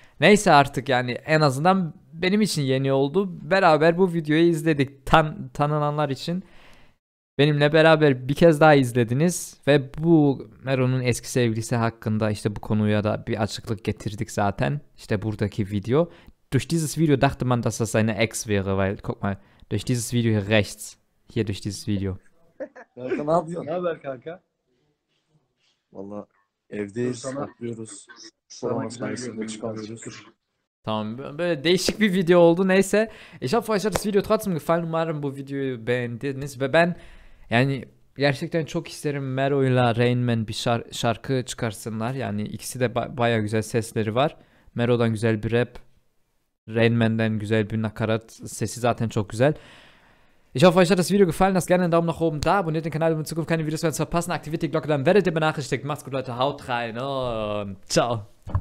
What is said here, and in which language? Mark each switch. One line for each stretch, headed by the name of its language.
Turkish: Neyse artık yani en azından benim için yeni oldu. Beraber bu videoyu izledik tanınanlar için. Benimle beraber bir kez daha izlediniz ve bu Meron'un eski sevgilisi hakkında işte bu konuya da bir açıklık getirdik zaten. İşte buradaki video.
German: Durch dieses Video dachte man, dass das seine Ex wäre, weil guck mal, durch dieses Video hier rechts, hier durch dieses Video.
Turkish: Kanka, ne yapıyorsun? Ne haber kanka? Vallahi evdeyiz, atlıyoruz. Sonra sayesinde çıkamıyoruz. Tamam, böyle değişik bir video oldu. Neyse.
German: Ich hoffe, euch hat das Video trotzdem gefallen.
Turkish: Umarım bu videoyu beğendiniz. Ve ben yani gerçekten çok isterim Mero'yla Rain Man bir şarkı çıkarsınlar. Yani ikisi de baya güzel sesleri var. Mero'dan güzel bir rap. Rain Man'den güzel bir nakarat. Sesi zaten çok güzel.
German: Ich hoffe, euch hat das Video gefallen. Lasst gerne einen Daumen nach oben da. Abonniert den Kanal, um in Zukunft keine Videos mehr zu verpassen. Aktiviert die Glocke, dann werdet ihr benachrichtigt. Macht's gut, Leute. Haut rein und ciao.